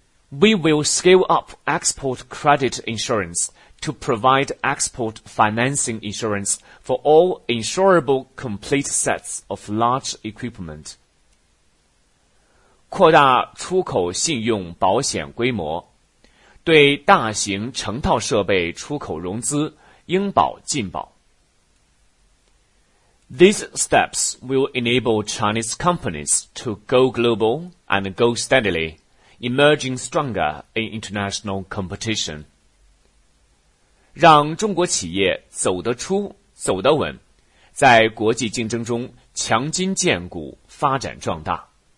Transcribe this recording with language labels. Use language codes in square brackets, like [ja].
[en] We will scale up export credit insurance to provide export financing insurance for all insurable complete sets of large equipment. [zh] 扩大出口信用保险规模，对大型成套设备出口融资，应保尽保。 [en] These steps will enable Chinese companies to go global and go steadily. Emerging stronger in international competition. [zh] 让中国企业走得出、走得稳，在国际竞争中强筋健骨、发展壮大。